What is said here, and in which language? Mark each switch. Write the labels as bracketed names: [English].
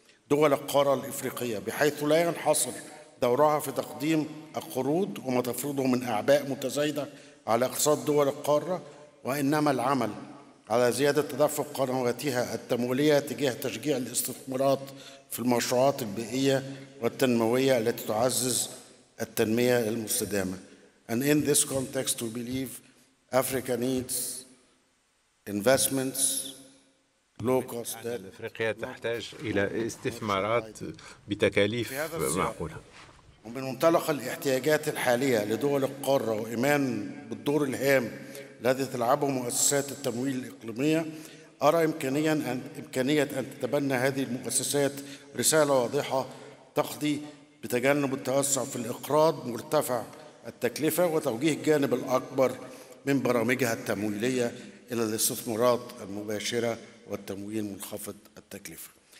[Arabic] دول القارة الإفريقية، بحيث لا ينحصر دورها في تقديم القروض وما تفرضه من أعباء متزايدة على اقتصاد دول القارة، وإنما العمل على زيادة تدفق قنواتها التمويلية تجاه تشجيع الاستثمارات في المشروعات البيئية والتنموية التي تعزز التنمية المستدامة. [English] And in this context we believe Africa needs investments low-cost debt. [Arabic] أفريقيا تحتاج إلى استثمارات بتكاليف معقولة. ومن منطلق الاحتياجات الحالية لدول القارة وإيمان بالدور الهام الذي تلعبه مؤسسات التمويل الإقليمية، أرى إمكانية أن تتبنى هذه المؤسسات رسالة واضحة تقضي بتجنب التوسع في الإقراض مرتفع التكلفة وتوجيه الجانب الأكبر من برامجها التمويلية إلى الاستثمارات المباشرة والتمويل منخفض التكلفة.